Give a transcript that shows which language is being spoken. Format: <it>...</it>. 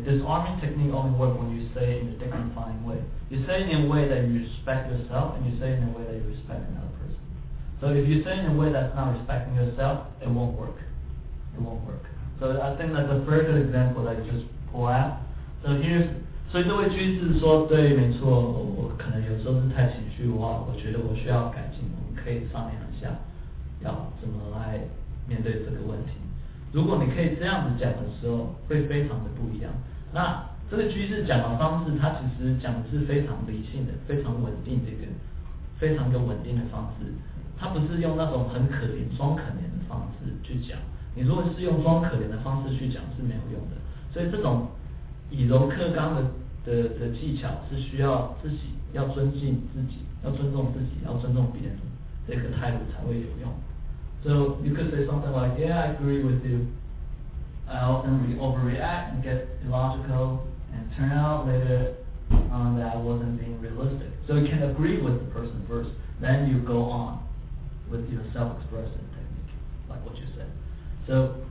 <en>Disarming technique only works when you say it in a dignifying way. You say it in a way that you respect yourself, and you say it in a way that you respect another person. So if you say it in a way that's not respecting yourself, it won't work. It won't work. So I think that's a very good example that you just pull out.</en> <zh>所以这位居士说，对，没错，我可能有时候是太情绪化，我觉得我需要改进，我们可以商量一下要怎么来面对这个问题。如果你可以这样子讲的时候，会非常的不一样。那这个居士讲的方式，他其实讲的是非常理性的，非常稳定的一个，非常一个稳定的方式。他不是用那种很可怜、装可怜的方式去讲。你如果是用装可怜的方式去讲是没有用的。所以这种以柔克刚 的技巧是需要自己要尊敬自己，要尊重自己，要尊重别人，这个态度才会有用。</zh> <en>So you could say something like, "Yeah, I agree with you. I often overreact and get illogical, and turn out later on that I wasn't being realistic." So you can agree with the person first, then you go on with your self-expression technique, like what you said.</en>